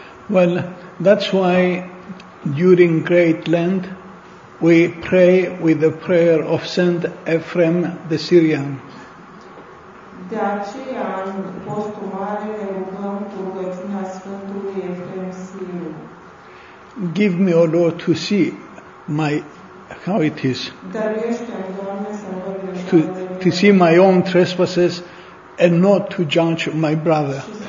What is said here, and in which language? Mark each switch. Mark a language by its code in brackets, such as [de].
[en] Well, that's why during Great Lent we pray with the prayer of Saint Ephrem the Syrian. [ro] De aceea, în postul mare, ne rugăm cu rugăciunea Sfântului Efrem Siriu. [en] Give me, O Lord, to see my how it is. [ro] Dăruiește-mi, Doamne, să văd greșeala mea. [en] To see my own trespasses and not to judge my brother.